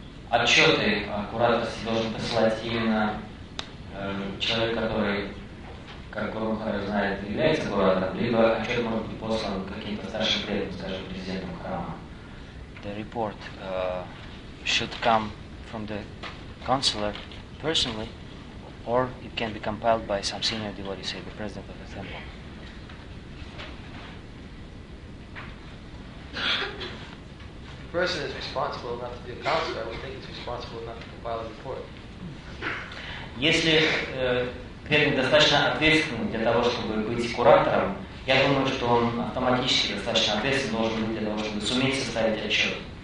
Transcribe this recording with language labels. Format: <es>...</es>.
<ru>Отчеты о кураторстве должен посылать именно человек, который, как Гуру Махарадж знает, является куратором, либо отчет может быть послан каким-то старшим преданным, скажем, президентом храма.</ru> <en>The report should come from the counselor personally, or it can be compiled by some senior devotee, say the president of the temple. If the person is responsible enough to be a counselor, I would think it's responsible enough to compile a report.</en> <ru>Если преданный достаточно ответственный для того, чтобы быть куратором, я думаю, что он автоматически достаточно ответственный должен быть для того, чтобы суметь составить отчет.</ru>